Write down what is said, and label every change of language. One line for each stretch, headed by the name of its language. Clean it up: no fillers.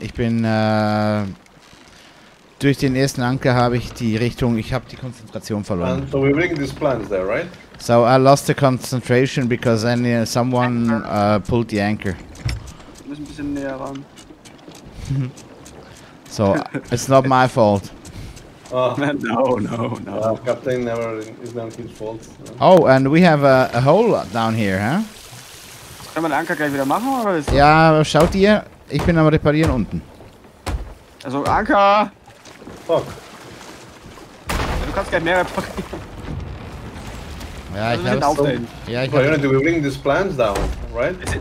German: Ich bin, durch den ersten Anker habe ich die Richtung, ich habe die Konzentration verloren.
English: So we're bringing these plans there, right? So I lost the concentration because then someone pulled the anchor.
German: Wir müssen ein bisschen näher ran.
English: So, it's not my fault. No. Captain never, is not his fault. No. Oh, and we have a hole down here, huh?
German: Können wir den Anker gleich wieder machen, oder ist das? Ja, schaut ihr, ich bin am Reparieren unten. Also Anker!
English: Fuck.
German: Ja, du kannst gleich mehr reparieren. Ja, also, ich hab's.
English: We bring these plans down, right?